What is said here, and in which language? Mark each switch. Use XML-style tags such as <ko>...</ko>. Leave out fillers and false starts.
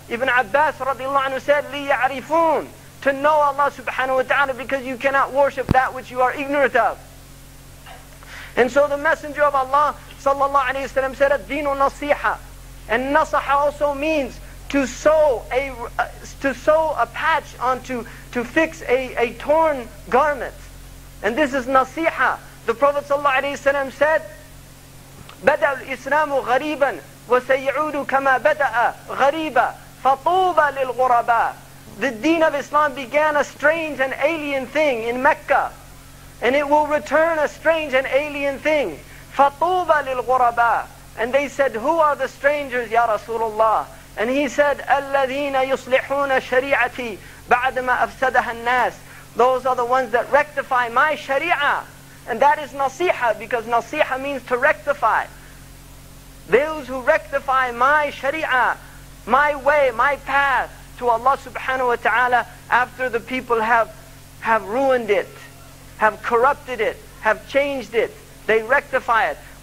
<en>Ibn Abbas radiallahu anhu said, لِيَعْرِفُونَ. To know Allah subhanahu wa ta'ala, because you cannot worship that which you are ignorant of. And so the Messenger of Allah sallallahu alayhi wa sallam said, الدين نصيحة. And nasaha also means to sew a patch onto, to fix a torn garment. And this is nasiha.</en> <ar>The Prophet sallallahu alayhi wa sallam said, بدأ الإسلام غريبا وسيعود كما بدأ غريبا فطوبى للغرباء.</ar> <en>The deen of Islam began a strange and alien thing in Mecca. And it will return a strange and alien thing. فَطُوبَ لِلْغُرَبَىٰ. And they said, who are the strangers, Ya Rasulullah?</en> <ar>And he said, الَّذِينَ يُصْلِحُونَ شَرِيعَتِي بَعْدَمَا أَفْسَدَهَا النَّاسِ.</ar> <en>Those are the ones that rectify my sharia. And that is nasiha, because nasiha means to rectify. Those who rectify my sharia, my way, my path to Allah subhanahu wa ta'ala after the people have ruined it, have corrupted it, have changed it, they rectify it.</en>